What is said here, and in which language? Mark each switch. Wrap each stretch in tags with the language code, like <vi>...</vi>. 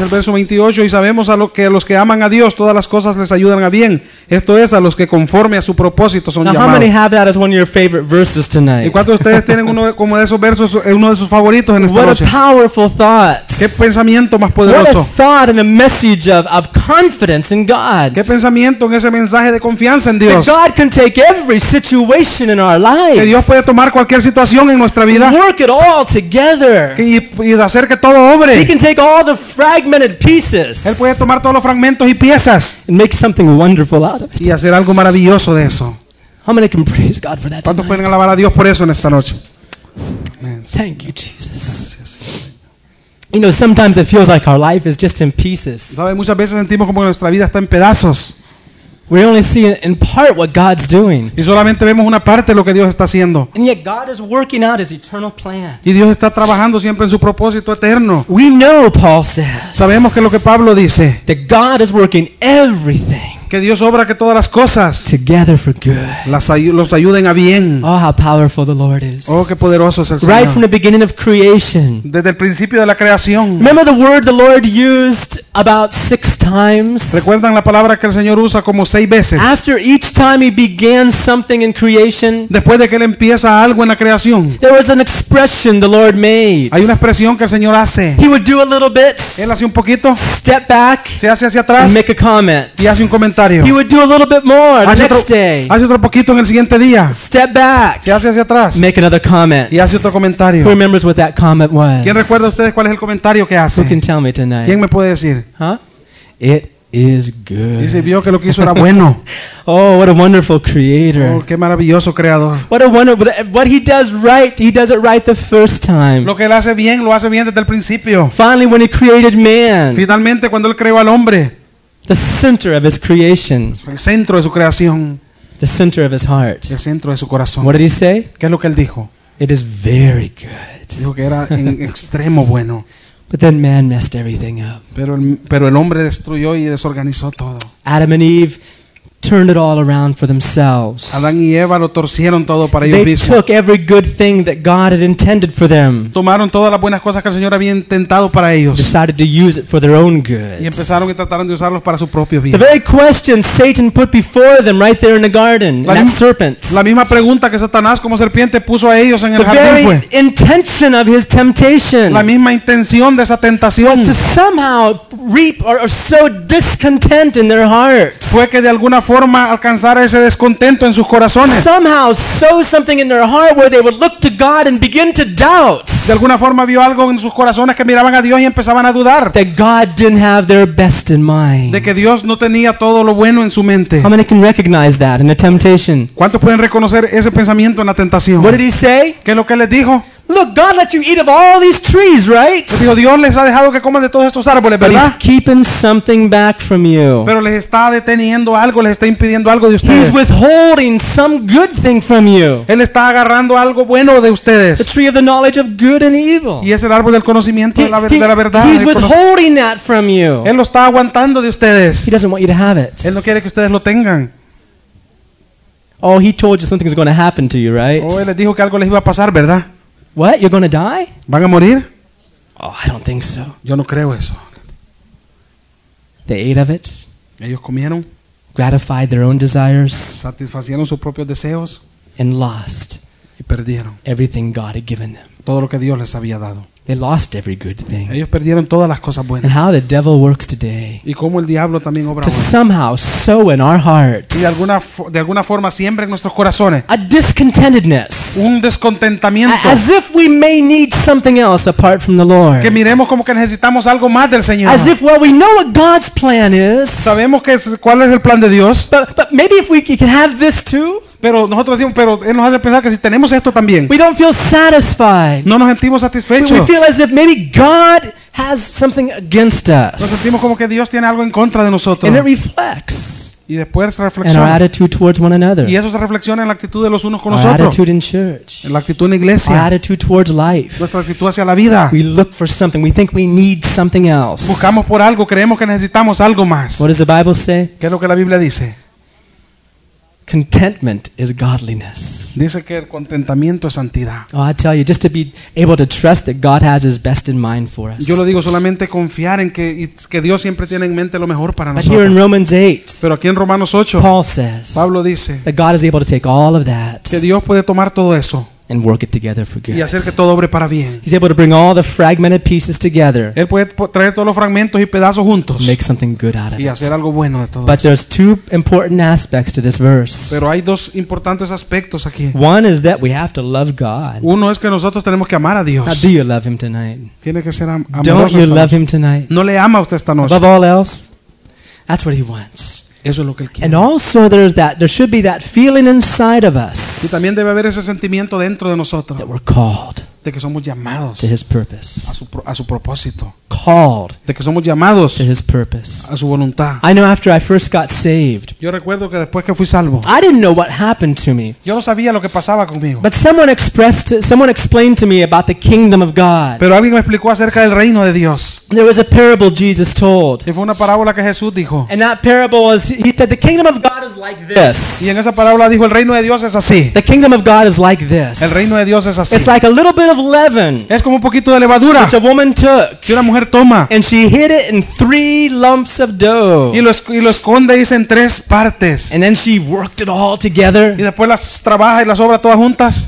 <es>Dice el verso 28, y sabemos a los que aman a Dios, todas las cosas les ayudan a bien. Esto es, a los que conforme a su propósito son llamados.</es> <en>Now, how many have that as one of your favorite verses tonight?</en> <es>¿Y cuántos de ustedes tienen uno como de esos versos, uno de sus favoritos en esta noche?</es> <en>What a powerful thought.</en> <es>¿Qué pensamiento más poderoso?</es> <en>What a thought and a message of confidence in God.</en> <es>¿Qué pensamiento en ese mensaje de confianza en Dios?</es> <en>That God can take every situation in our life.</en> <es>Que Dios puede tomar cualquier situación en nuestra vida.</es> <en>Work it all together.</en> <es>Y hacer que todo obre.</es> <en>He can take all the fragmented pieces.</en> <es>Él puede tomar todos los fragmentos y piezas.</es> <en>And make something wonderful out of it.</en> <es>Y hacer algo maravilloso de eso.</es> <en>How many can praise God for that?</en> <es>¿Cuántos pueden alabar a Dios por eso en esta noche?</es> <en>Thank you, Jesus. You know, sometimes it feels like our life is just in pieces.</en> <es>¿Sabe? Muchas veces sentimos como que nuestra vida está en pedazos.</es> <en>We only see in part what God's doing.</en> <es>Y solamente vemos una parte de lo que Dios está haciendo.</es> <en>And yet God is working out His eternal plan.</en> <es>Y Dios está trabajando siempre en su propósito eterno.</es> <en>We know, Paul says.</en> <es>Sabemos que lo que Pablo dice.</es> <en>That God is working everything.</en> <es>Que Dios obra que todas las cosas.</es> <en>Together for good.</en> <es>Los ayuden a bien.</es> <en>Oh, how powerful the Lord is.</en> <es>Oh, qué poderoso es el Señor.</es> <en>Right from the beginning of creation.</en> <es>Desde el principio de la creación.</es> <en>Remember the word the Lord used about 6 times.</en> <es>¿Recuerdan la palabra que el Señor usa como 6 veces?</es> <en>After each time he began something in creation.</en> <es>Después de que él empieza algo en la creación.</es> <en>There was an expression the Lord made.</en> <es>Hay una expresión que el Señor hace.</es> <en>He would do a little bit.</en> <es>Él hace un poquito.</es> <en>Step back.</en> <es>Se hace hacia atrás.</es> <en>And make a comment.</en> <es>Y hace un comentario.</es> <en>He would do a little bit more the next day.</en> <es>Hace otro poquito en el siguiente día.</es> <en>Step back.</en> <es>Se hace hacia atrás.</es> <en>Make another comment.</en> <es>Y hace otro comentario.</es> <en>Who remembers what that comment was?</en> <es>¿Quién recuerda ustedes cuál es el comentario que hace?</es> <en>Who can tell me tonight?</en> <es>¿Quién me puede decir?</es> <en>Huh? It is good.</en> <es>Dice, vio que lo que hizo era bueno.</es> <en>Oh, what a wonderful creator.</en> <es>Oh, qué maravilloso creador.</es> <en>What a wonderful, what he does right, he does it right the first time.</en> <es>Lo que él hace bien, lo hace bien desde el principio.</es> <en>Finally, when he created man.</en> <es>Finalmente, cuando él creó al hombre.</es> <en>The center of his creation.</en> <es>El centro de su creación.</es> <en>The center of his heart.</en> <es>El centro de su corazón.</es> <en>What did he say?</en> <es>¿Qué es lo que él dijo?</es> <en>It is very good.</en> <es>Dijo que era en extremo bueno.</es> <en>But then man messed everything up.</en> <es>Pero el hombre destruyó y desorganizó todo.</es> <en>Adam and Eve turned it all around for themselves.</en> <es>Adán y Eva lo torcieron todo para ellos mismos.</es> <en>They took every good thing that God had intended for them.</en> <es>Tomaron todas las buenas cosas que el Señor había intentado para ellos.</es> <en>Decided to use it for their own good.</en> <es>Y empezaron y trataron de usarlos para su propio bien.</es> <en>The very question Satan put before them right there in the garden, that serpent.</en> <es>La misma pregunta que Satanás como serpiente puso a ellos en el jardín fue.</es> <en>The very intention of his temptation.</en> <es>La misma intención de esa tentación.</es> <en>Was to somehow reap or sow discontent in their hearts.</en> <es>Fue que de alguna forma alcanzar ese descontento en sus corazones.</es> <en>Somehow sow something in their heart where they would look to God and begin to doubt.</en> <es>De alguna forma vio algo en sus corazones que miraban a Dios y empezaban a dudar.</es> <en>That God didn't have their best in mind.</en> <es>De que Dios no tenía todo lo bueno en su mente.</es> <en>How many can recognize that in a temptation?</en> <es>¿Cuántos pueden reconocer ese pensamiento en la tentación?</es> <en>What did he say?</en> <es>¿Qué es lo que les dijo?</es> <en>Look, God let you eat of all these trees, right?</en> <es>Dijo, Dios les ha dejado que coman de todos estos árboles, ¿verdad?</es> <en>But he's keeping something back from you.</en> <es>Pero les está deteniendo algo, les está impidiendo algo de ustedes.</es> <en>He's withholding some good thing from you.</en> <es>Él está agarrando algo bueno de ustedes.</es> <en>The tree of the knowledge of good and evil.</en> <es>Y es el árbol del conocimiento de la verdad.</es> <en>He's withholding that from you.</en> <es>Él lo está aguantando de ustedes.</es> <en>He doesn't want you to have it.</en> <es>Él no quiere que ustedes lo tengan.</es> <en>Oh, he told you something's going to happen to you, right?</en> <es>Oh, él les dijo que algo les iba a pasar, ¿verdad?</es> <en>What? You're going to die?</en> <es>¿Van a morir?</es> <en>Oh, I don't think so.</en> <es>Yo no creo eso.</es> <en>They ate of it.</en> <es>Ellos comieron.</es> <en>Gratified their own desires.</en> <es>Satisfacieron sus propios deseos.</es> <en>And lost.</en> <es>Y perdieron.</es> <en>Everything God had given them.</en> <es>Todo lo que Dios les había dado.</es> <en>They lost every good thing.</en> <es>Ellos perdieron todas las cosas buenas.</es> <en>And how the devil works today.</en> <es>Y cómo el diablo también obra</es> <en>to</en> <es>hoy.</es> <en>Somehow sow in our hearts.</en> <es>Y de alguna forma siembra en nuestros corazones.</es> <en>A discontentedness.</en> <es>Un descontentamiento.</es> <en>As if we may need something else apart from the Lord.</en> <es>Que miremos como que necesitamos algo más del Señor.</es> <en>As if, well, we know what God's plan is.</en> <es>Sabemos cuál es el plan de Dios.</es> <en>But maybe if we can have this too.</en> <es>Pero nosotros decimos, pero él nos hace pensar que si tenemos esto también.</es> <en>We don't feel satisfied.</en> <es>No nos sentimos satisfechos.</es> <en>We feel as if maybe God has something against us.</en> <es>Nos sentimos como que Dios tiene algo en contra de nosotros.</es> <en>And it reflects.</en> <es>Y después se reflexiona.</es> <en>And our attitude towards one another.</en> <es>Y eso se reflexiona en la actitud de los unos con</es> <en>our</en> <es>nosotros.</es> <en>Attitude in church.</en> <es>En la actitud en la iglesia.</es> <en>Our attitude towards life.</en> <es>Nuestra actitud hacia la vida.</es> <en>We look for something. We think we need something else.</en> <es>Buscamos por algo, creemos que necesitamos algo más.</es> <en>What does the Bible say?</en> <es>¿Qué es lo que la Biblia dice?</es> <en>Contentment is godliness.</en> <es>Dice que el contentamiento es santidad.</es> <en>Oh, I tell you, just to be able to trust that God has His best in mind for us.</en> <es>Yo lo digo solamente confiar en que Dios siempre tiene en mente lo mejor para</es> <en>But</en> <es>nosotros.</es> <en>But here in Romans 8,</en> <es>pero aquí en Romanos 8,</es> <en>Paul says,</en> <es>Pablo dice,</es> <en>that God is able to take all of that.</en> <es>Que Dios puede tomar todo eso.</es> <en>And work it together for good.</en> <es>Y hacer que todo obre para bien.</es> <en>He's able to bring all the fragmented pieces together.</en> <es>Él puede traer todos los fragmentos y pedazos juntos.</es> <en>Make something good out of it.</en> <es>Y hacer algo bueno de todo.</es> <en>But there's two important aspects to this verse.</en> <es>Pero hay dos importantes aspectos aquí.</es> <en>One is that we have to love God.</en> <es>Uno es que nosotros tenemos que amar a Dios.</es> <en>Now, do you love Him tonight?</en> <es>Tiene que ser</es> <en>Don't you love Him tonight?</en> <es>¿No le ama usted esta noche?</es> <en>Above all else, that's what He wants.</en> <es>Eso es lo que él quiere.</es> <en>And also there should be that feeling inside of us.</en> <es>Y también debe haber ese sentimiento dentro de nosotros.</es> <en>That we're called.</en> <es>De que somos llamados.</es> <en>To His purpose.</en> <es>A su propósito.</es> <en>Called.</en> <es>De que somos llamados.</es> <en>To His purpose.</en> <es>A su voluntad.</es> <en>I know after I first got saved.</en> <es>Yo recuerdo que después que fui salvo.</es> <en>I didn't know what happened to me.</en> <es>Yo no sabía lo que pasaba conmigo.</es> <en>But someone explained to me about the kingdom of God.</en> <es>Pero alguien me explicó acerca del reino de Dios.</es> <en>There was a parable Jesus told.</en> <es>Y fue una parábola que Jesús dijo.</es> <en>And that parable was, he said, the kingdom of God is like this.</en> <es>Y en esa parábola dijo, el reino de Dios es así.</es> <en>The kingdom of God is like this.</en> <es>El reino de Dios es así.</es> <en>It's like a little bit of leaven.</en> <es>Es como un poquito de levadura.</es> <en>Which a woman took.</en> <es>Que una mujer toma.</es> <en>And she hid it in three lumps of dough.</en> <es>Y lo esconde y en tres partes.</es> <en>And then she worked it all together.</en> <es>Y después las trabaja y las obra todas juntas.</es>